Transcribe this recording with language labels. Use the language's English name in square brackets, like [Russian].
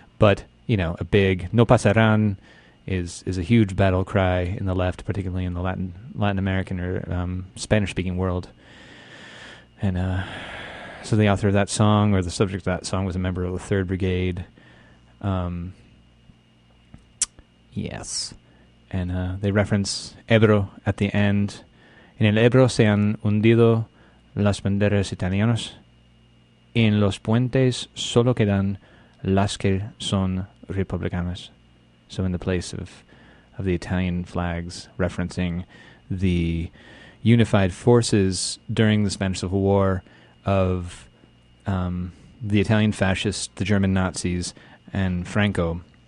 [English] But, you know, a big no pasarán is a huge battle cry in the left, particularly in the Latin American or Spanish-speaking world. And so the author of that song, or the subject of that song, was a member of the 3rd Brigade. Yes. And they reference Ebro at the end. [Spanish] En el Ebro se han hundido las banderas italianas. En los puentes solo quedan las que son republicanas. [English] So in the place of the Italian flags, referencing the unified forces during the Spanish Civil War of the Italian fascists, the German Nazis, and Franco.